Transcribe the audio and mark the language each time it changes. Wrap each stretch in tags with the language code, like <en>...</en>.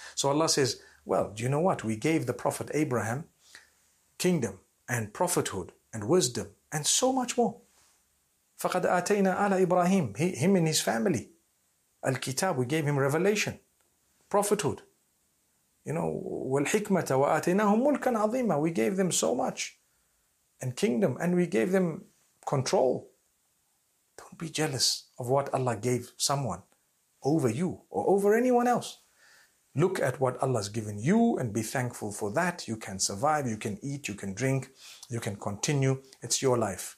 <en>So Allah says, well, do you know what? We gave the Prophet Abraham kingdom and prophethood and wisdom and so much more.</en> <ar>فَقَدْ أَتَيْنَا عَلَى إِبْرَاهِيمِ</ar> <en>him and his family. Al-Kitab, we gave him revelation, prophethood. You know,</en> <ar>وَالْحِكْمَةَ وَآتَيْنَاهُمْ مُلْكًا عَظِيمًا.</ar> <en>We gave them so much and kingdom and we gave them control. Don't be jealous of what Allah gave someone over you or over anyone else. Look at what Allah has given you and be thankful for that. You can survive, you can eat, you can drink, you can continue. It's your life.</en>